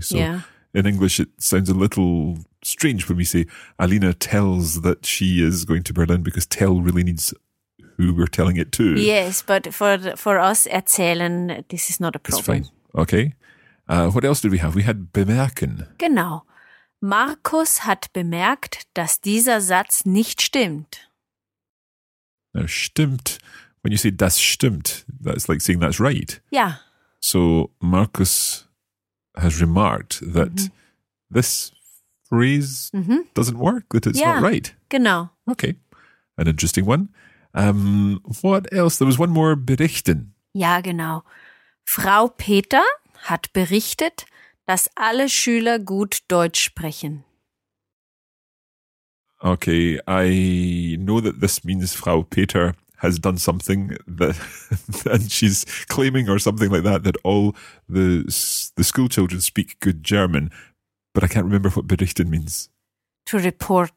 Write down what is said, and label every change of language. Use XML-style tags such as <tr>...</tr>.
<en>So in English it sounds a little strange when we say Alina tells that she is going to Berlin because tell really needs who we're telling it to. Yes, but for us erzählen, this is not a problem. It's fine. Okay. What else did we have? We had bemerken.</en> <de>Genau. Markus hat bemerkt, dass dieser Satz nicht stimmt.</de> <en>Now, stimmt, when you say das stimmt, that's like saying that's right. Yeah. So, Markus has remarked that mm-hmm. this phrase mm-hmm. doesn't work, that it's yeah, not right.</en> <de>Genau.</de> <en>Okay, an interesting one. What else? There was one more, berichten.</en> <de>Ja, genau. Frau Peter hat berichtet, dass alle Schüler gut Deutsch sprechen.</de> <en>Okay, I know that this means Frau Peter has done something that, and she's claiming or something like that, that all the school children speak good German, but I can't remember what berichten means. To report.</en>